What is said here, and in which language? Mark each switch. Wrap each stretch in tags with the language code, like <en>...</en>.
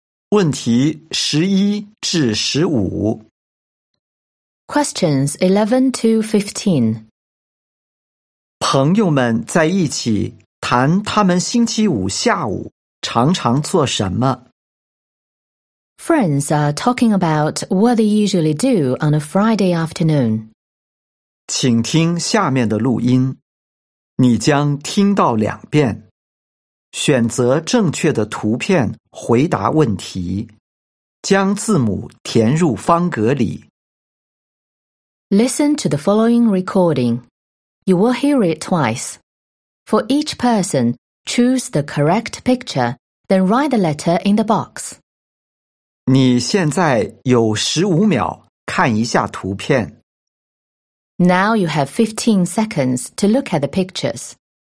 <zh>问题十一至十五。</zh> <en>Questions 11 to 15。</en> <zh>朋友们在一起谈他们星期五下午常常做什么。</zh> <en>Friends are talking about what they usually do on a Friday afternoon.</en> <zh>请听下面的录音，你将听到两遍。选择正确的图片回答问题，将字母填入方格里。</zh> <en>Listen to the following recording. You will hear it twice. For each person, choose the correct picture, then write the letter in the box.</en> <zh>你现在有15秒看一下图片。</zh> <en>Now you have 15 seconds to look at the pictures.</en>